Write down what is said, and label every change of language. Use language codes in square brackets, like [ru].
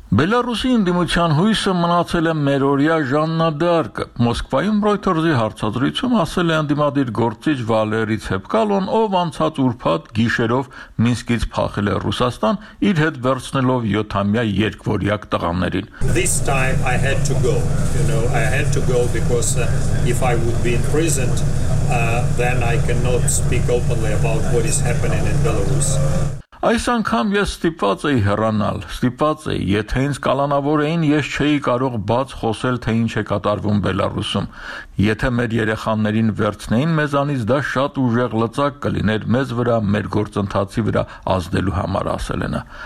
[hy] Բելարուսի ընդդիմության հույսը մնացել է մերօրյա Ժաննա Դարկը։ Մոսկվայում Ռոյթերսի հարցազրույցում ասել է ընդդիմադիր գործիչ Վալերի Ցեփկալոն, ով անցած ուրբաթ գիշերով Մինսկից փախել է Ռուսաստան, իր հետ վերցնելով 7-ամյա երկվորյակ տղաներին։ [en] This time I had to go. You know, I had to go because if I would be imprisoned, then I cannot speak openly about what is happening in Belarus. [hy] Այս անգամ ես ստիպված էի հեռանալ, ստիպված էի, եթե ինձ կալանավոր էին, ես չէի կարող բաց խոսել, թե ինչ է կատարվում Բելարուսում։ Եթե մեր երեխաներին վերցնեին մեզանից, դա շատ ուժեղ լծակ կլիներ մեզ վրա, մեր գործընթացի վրա ազդելու համար, ասել ենա։